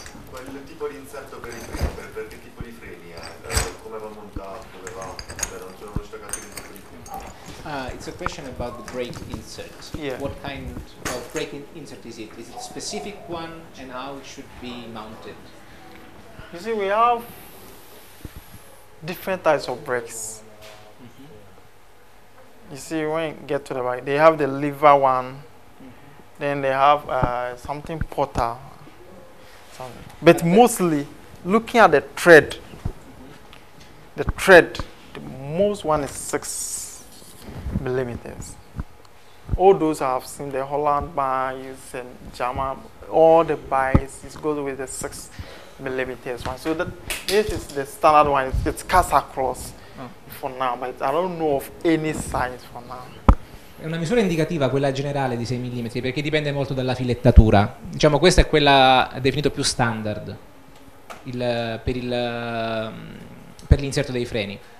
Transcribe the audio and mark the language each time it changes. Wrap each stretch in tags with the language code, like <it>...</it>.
<it>Quel tipo di inserto per i freni, per che tipo di freni come va montato, dove va, non sono riuscito a capire il tipo di freni.</it> <en>It's a question about the brake insert. Yeah. What kind of brake insert is it? Is it a specific one and how it should be mounted? You see, we have different types of brakes. Mm-hmm. You see, when you get to the bike, they have the lever one. Then they have something porter. But mostly, looking at the tread, the most one is 6 millimeters. All those I have seen, the Holland bikes and German, all the bikes, it goes with the 6 millimeters one. So that this is the standard one. It's cast across for now, but I don't know of any size for now.</en> <it>È una misura indicativa quella generale di 6 mm perché dipende molto dalla filettatura. Diciamo, questa è quella definita più standard per l'inserto dei freni.</it>